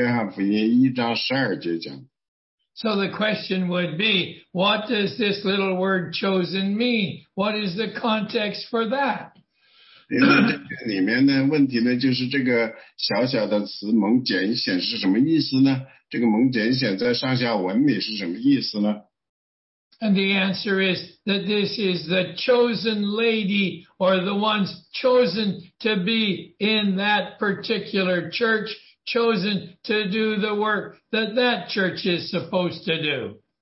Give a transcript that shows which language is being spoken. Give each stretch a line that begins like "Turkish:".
Chinese: 因为这个圣经的教导的神呢呼召了我们所有的人只有那些相信的人才会神就赐给他们权利成为神的儿女这是约翰福音一章十二节讲。
English: So the question would be, what does this little word chosen mean? What is the context for that?
Chinese: 因为这个里面呢,问题呢,就是这个小小的词蒙拣选是什么意思呢?这个蒙拣选在上下文里是什么意思呢?
English: And the answer is that this is the chosen lady or the ones chosen to be in that particular church, chosen to do the work that that church is supposed to do.